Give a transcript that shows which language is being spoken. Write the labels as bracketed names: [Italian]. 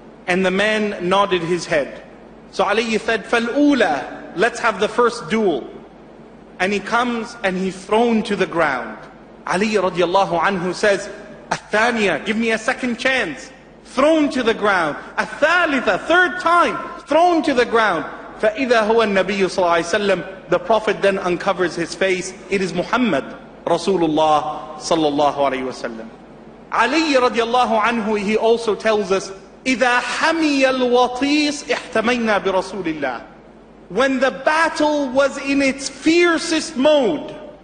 [English] And the man nodded his head. So Ali said, [Arabic] فَالْأُولَى [English] Let's have the first duel. And he comes and he's thrown to the ground. Ali radiallahu anhu says, [Arabic] الثانية, [English] give me a second chance. thrown to the ground. A thalitha, third time, thrown to the ground. [Arabic] فَإِذَا هُوَ النَّبِيُّ صَلَّى اللَّهُ عَلَيْهِ وَسَلَّمُ [English] The Prophet then uncovers his face. It is Muhammad, Rasulullah صلى الله عليه وسلم. Ali رضي الله عنه, he also tells us, [Arabic] إِذَا حَمِيَ الْوَطِيسِ احْتَمَيْنَا بِرَسُولِ اللَّهِ [English] When the battle was in its fiercest mode,